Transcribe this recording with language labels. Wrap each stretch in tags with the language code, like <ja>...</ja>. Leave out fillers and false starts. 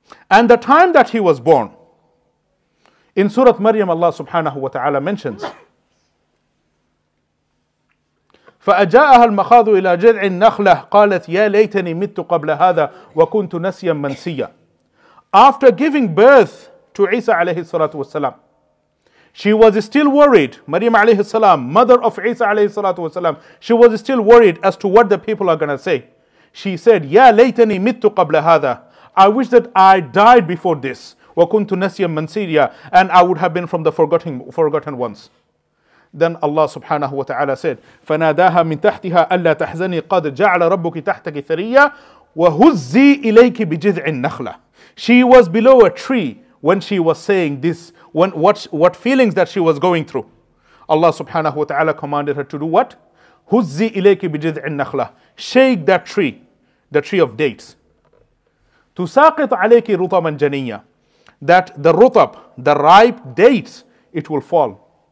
<en>And the time that he was born, in Surah Maryam Allah subhanahu wa ta'ala mentions,</en> <ar>فأجاءها المخاض إلى جذع النخلة قالت يا ليتني مت قبل هذا وكنت نسيا منسيا.</ar> <en>After giving birth to Isa alayhi salatu wasalam, she was still worried. Maryam alayhi salam, mother of Isa alayhi salatu wasalam, she was still worried as to what the people are going to say. She said,</en> <ar>يا ليتني مت قبل هذا.</ar> <en>I wish that I died before this.</en> <ar>وكنت نسيا منسيا.</ar> <en>And I would have been from the forgotten ones. Then Allah subhanahu wa ta'ala said,</en> <ar>فَنَادَاهَا مِنْ تَحْتِهَا أَلَّا تَحْزَنِي قَدْ جَعْلَ رَبُّكِ تَحْتَكِ ثَرِيَّا وَهُزِّي إِلَيْكِ بِجِذْعِ النَّخْلَةِ.</ar> <en>She was below a tree when she was saying this, when what feelings that she was going through. Allah subhanahu wa ta'ala commanded her to do what?</en> <ar>هُزِّي إِلَيْكِ بِجِذْعِ النَّخْلَةِ.</ar> <en>Shake that tree, the tree of dates.</en> <ar>تُسَاقِطْ عَلَيْكِ رُطَبًا جَنِيَّا.</ar> <en>That the rutab, the ripe dates, it will fall.</en>